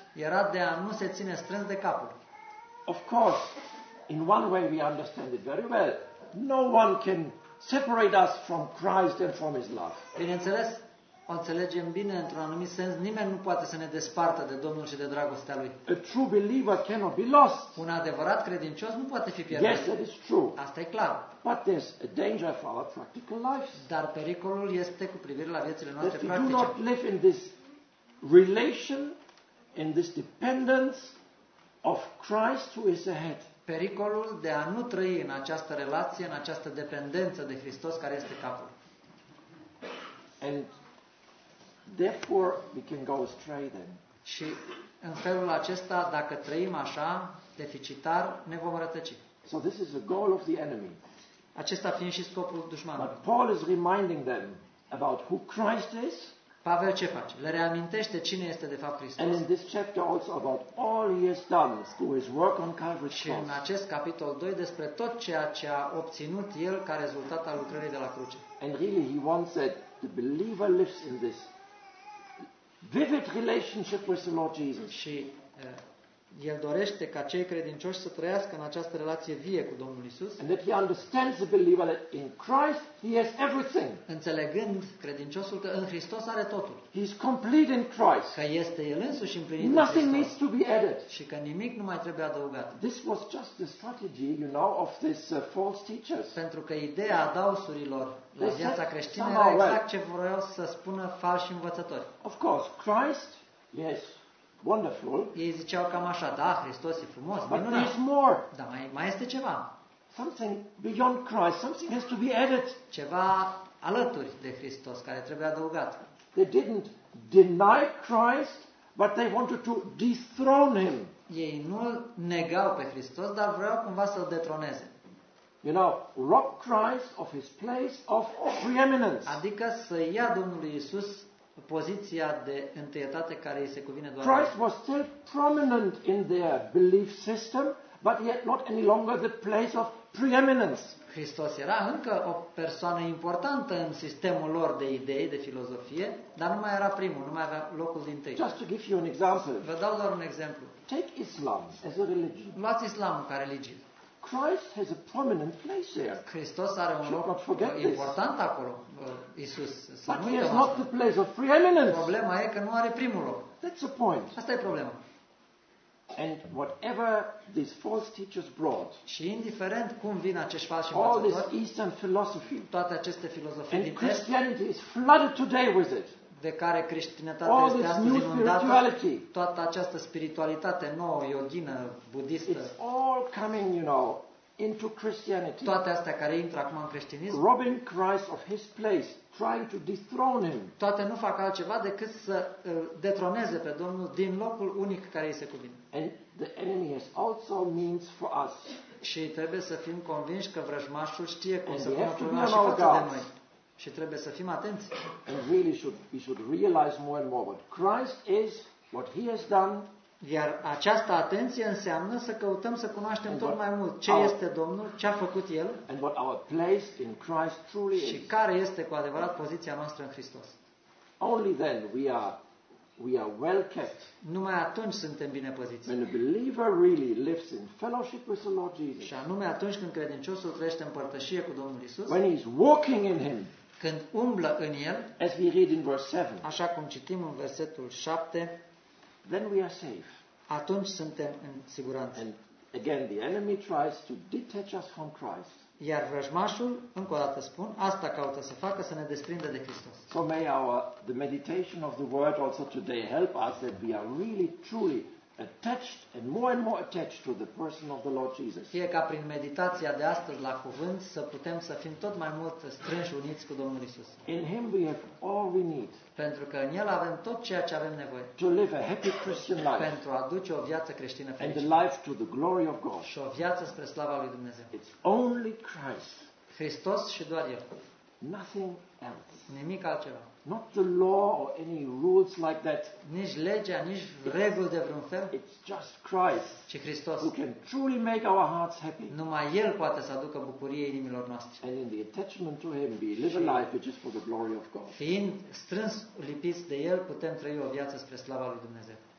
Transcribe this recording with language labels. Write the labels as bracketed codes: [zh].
[ro] Era de a nu se ține strâns de capul. [en] Of course, in one way we understand it very well. No one can separate us from Christ and from his love. [ro] Bineînțeles, o înțelegem bine într-un anumit sens, nimeni nu poate să ne despartă de Domnul și de dragostea lui. [en] A true believer cannot be lost. [ro] Un adevărat credincios nu poate fi pierdut. [en] Yes, that is true. [ro] Asta e clar. [en] But there's a danger for our practical lives. [ro] Dar pericolul este cu privire la viețile noastre practice. [en] That we do not live in this relation, in this dependence of Christ who is ahead. [ro] Pericolul de a nu trăi în această relație, în această dependență de Hristos care este capul. [en] And therefore we can go astray then. [ro] Și în felul acesta, dacă trăim așa, deficitar, ne vom rătăci. [en] So this is the goal of the enemy. [ro] Acesta fiind și scopul dușmanului. [en] But Paul is reminding them about who Christ is. [ro] Pavel ce face? Le reamintește cine este de fapt Hristos. [en] And in this chapter also about all he has done through his work on Calvary. [ro] Și în acest capitol 2 despre tot ceea ce a obținut el ca rezultat al lucrării de la cruce. [en] And really he wants that the believer lives in this vivid relationship with the Lord Jesus. [ro] Și el dorește ca cei credincioși să trăiască în această relație vie cu Domnul Iisus. [en] And that he understands the believer that in Christ he has everything. [ro] Înțelegând credinciosul că în Hristos are totul. [en] He is complete in Christ. [ro] Că este el însuși împlinit în [en] Hristos. Nothing needs to be added. [ro] Și că nimic nu mai trebuie adăugat. [en] This was just the strategy, you know, of these false teachers. [ro] Pentru că ideea adausurilor la viața creștină era exact ce vreau să spună falși învățători. [en] Of course, Christ, yes, wonderful. [ro] Ei ziceau cam așa, da, Hristos e frumos, [en] but [ro] minunat. [en] There's more. [ro] Dar mai este ceva. [en] Something beyond Christ, something has to be added. [ro] Ceva alături de Hristos care trebuie adăugat. [en] They didn't deny Christ, but they wanted to dethrone him. [ro] Ei nu negau pe Hristos, dar vreau cumva să-l detroneze. [en] You know, rob Christ of his place of preeminence. [ro] Adică să ia Domnul Iisus poziția de întâietate care îi se cuvine doar. [en] Christ was still prominent in their belief system, but he had not any longer the place of preeminence. [ro] Hristos era încă o persoană importantă în sistemul lor de idei, de filozofie, dar nu mai era primul, nu mai avea locul din tâi. [en] Just to give you an example. [ro] Vă dau doar un exemplu. [en] Take Islam as a religion. [ro] Luați Islamul ca religie. [en] Christ has a prominent place there. [ro] Hristos are un loc important acolo. Iisus, să nu uităm. [en] But he has not the place of preeminence. [ro] Problema e că nu are primul loc. [en] That's the point. [ro] Asta e problema. [en] And whatever these false teachers brought. [ro] Și indiferent cum vin acești falși [en] învățători. All this Eastern philosophy. [ro] Toate aceste filozofii din Est. [en] And Christianity is flooded today with it. [ro] De care creștinătatea este astăzi inundată, toată această spiritualitate nouă, yoghină, budistă, [en] it's all coming, you know, into Christianity. [ro] Toate astea care intră acum în creștinism, [en] robbing Christ of his place, trying to dethrone him. [ro] Toate nu fac altceva decât să detroneze pe Domnul din locul unic care îi se cuvine. [en] And the enemy has also means for us. [ro] Și trebuie să fim convinși că vrăjmașul știe cum să pună problema și față de noi. Și trebuie să fim atenți. [en] And really should, we should realize more and more what Christ is, what he has done, [ro] Iar această atenție înseamnă să căutăm să cunoaștem tot mai mult ce este Domnul, ce a făcut El [en] and what our place in Christ truly [ro] și care este cu adevărat poziția noastră în Hristos. [en] Only then we are well kept. [ro] Numai atunci suntem bine păziți. [en] When a believer really lives in fellowship with the Lord Jesus. [ro] Și anume atunci când credinciosul trăiește în părtășie cu Domnul Isus. [en] When he's walking in him. [ro] Când umblă în el. [en] As we read in verse 7. [ro] Așa cum citim în versetul 7. [en] Then we are safe. [ro] Atunci suntem în siguranță. [en] And again the enemy tries to detach us from Christ. [ro] Iar vrăjmașul, încă o dată spun, asta caută să facă, să ne desprindă de Hristos. [en] So may the meditation of the word also today help us that we are really truly attached and more attached to the person of the Lord Jesus. [ro] Fie ca prin meditația de astăzi la cuvânt să putem să fim tot mai mult strânși uniți cu Domnul Isus. [en] In him we have all we need. [ro] Pentru că în el avem tot ceea ce avem nevoie. [en] To live a happy Christian life. [ro] Pentru a duce o viață creștină fericită. [en] And a life to the glory of God. [ro] Și o viață spre slava lui Dumnezeu. [en] It's only Christ. [ro] Hristos și doar el. [en] Nothing else. [ro] Nimic altceva. [en] Not the law or any rules like that. [ro] Nici legea, nici reguli de vreun fel. [en] It's just Christ. [ro] Ci Hristos. [en] Who can truly make our hearts happy. [ro] Numai El poate să aducă bucurie inimilor noastre. [en] And in the attachment to Him, we live a life which is for the glory of God. [ro] Fiind strâns lipiți de El, putem trăi o viață spre slava lui Dumnezeu.